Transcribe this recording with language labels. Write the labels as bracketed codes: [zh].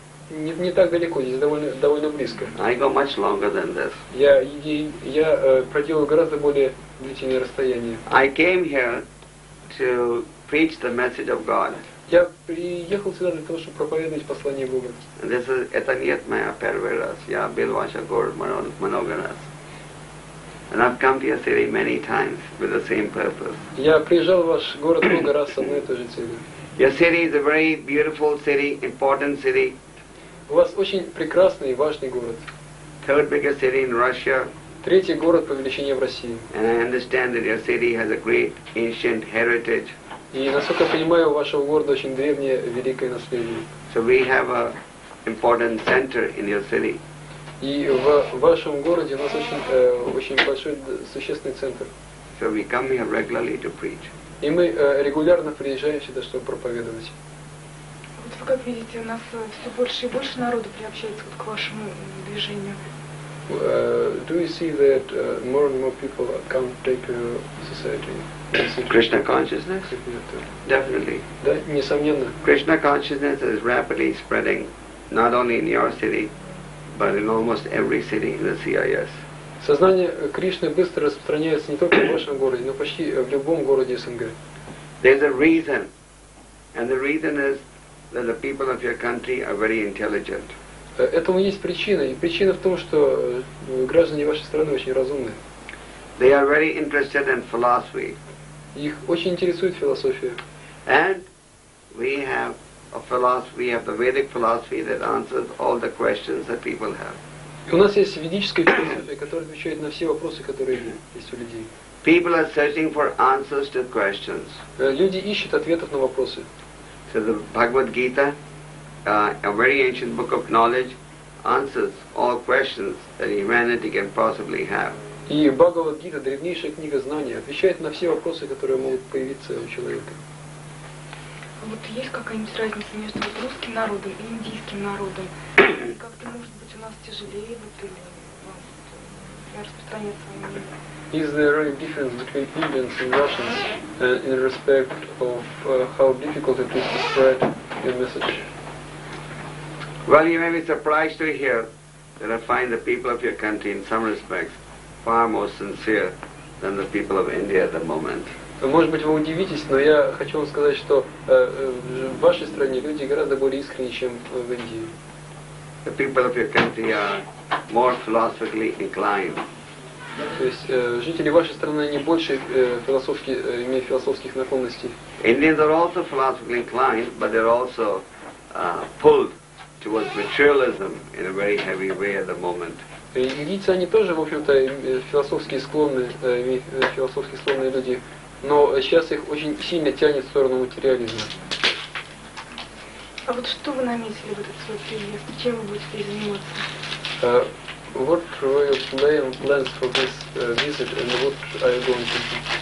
[ru] Не так далеко, здесь довольно близко. [en] I go much longer than this. [ru] Я проделал гораздо более длительное расстояние. [en] I came here to preach the message of God. [ru] Я приехал сюда для того, чтобы проповедовать послание Бога. [en] This is [ru] это нет моя первый раз. Я был в вашем городе много раз. [en] And I've come to your city many times with the same purpose. [ru] Я приезжал в ваш город много раз с одной и той же целью. [en] Your city is a very beautiful city, important city. [ru] У вас очень прекрасный и важный город. [en] third biggest city in Russia. [ru] Третий город по величине в России. [en] And I understand that your city has a great ancient heritage. [ru] И насколько я понимаю, у вашего города очень древнее великое наследие. [en] So we have a important center in your city. [ru] И в вашем городе у нас очень очень большой существенный центр. [en] So we come here regularly to preach. [ru] И мы регулярно приезжаем сюда, чтобы проповедовать. Вот вы как видите, у нас все больше и больше народу приобщается вот к вашему движению. [en] Do you see that more and more people come take your society? Krishna consciousness? Definitely. [ru] Да, несомненно. [en] Krishna consciousness is rapidly spreading, not only in your city, but in almost every city in the CIS. [ru] Сознание Кришны быстро распространяется не только в вашем городе, но почти в любом городе СНГ. [en] There's a reason, and the reason is that the people of your country are very intelligent. [ru] Этому есть причина, и причина в том, что граждане вашей страны очень разумны. [en] They are very interested in philosophy. [ru] Их очень интересует философия. [en] And we have a philosophy, we have the Vedic philosophy that answers all the questions that people have. [ru] У нас есть ведическая философия, которая отвечает на все вопросы, которые есть у людей. [en] People are searching for answers to questions. [ru] Люди ищут ответов на вопросы. [en] So the Bhagavad Gita, a very ancient book of knowledge, answers all questions that humanity can possibly have. [ru] И Бхагавад-гита, древнейшая книга знания, отвечает на все вопросы, которые могут появиться у человека. Вот есть какая-нибудь разница между вот русским народом и индийским народом? И как-то, может быть, у нас тяжелее, вот, или распространяется? [en] Is there a difference between Indians and Russians in respect of how difficult it is to spread your message? Well, you may be surprised to hear that I find the people of your country in some respects far more sincere than the people of India at the moment. [ru] Может быть, вы удивитесь, но я хочу вам сказать, что в вашей стране люди гораздо более искренни, чем в Индии. [en] The people of your country are more philosophically inclined. [ru] То есть жители вашей страны не больше философски имеют философских наклонностей. [en] Indians are also philosophically inclined, but they're also pulled towards materialism in a very heavy way at the moment. [ru] Индийцы, они тоже, в общем-то, философски склонны, философски склонные люди, но сейчас их очень сильно тянет в сторону материализма. А вот что вы наметили в этот свой приезд? Чем вы будете заниматься? [en] What were your plans for this visit and what are you going to do?